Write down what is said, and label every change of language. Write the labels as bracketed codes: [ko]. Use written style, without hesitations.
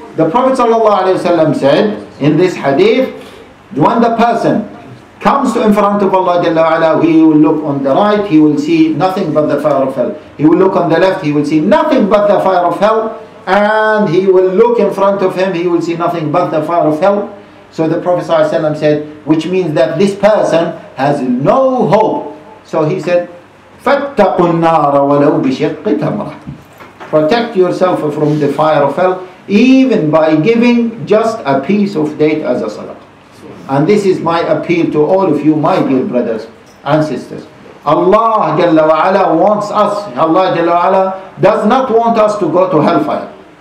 [en] The Prophet sallallahu alaihi wasallam said in this hadith, when the person comes to in front of Allah Jalla wa'ala, he will look on the right, he will see nothing but the fire of hell. He will look on the left, he will see nothing but the fire of hell. And he will look in front of him, he will see nothing but the fire of hell. So the Prophet sallallahu alaihi wasallam said, which means that this person has no hope. So he said, [ar] فَاتَّقُوا النَّارَ وَلَوْ بِشِقِّ تَمْرَةٍ. [en] Protect yourself from the fire of hell, even by giving just a piece of date as a sadaqah. And this is my appeal to all of you, my dear brothers and sisters. Allah Jalla wa'ala wants us, Allah Jalla wa'ala does not want us to go to hellfire.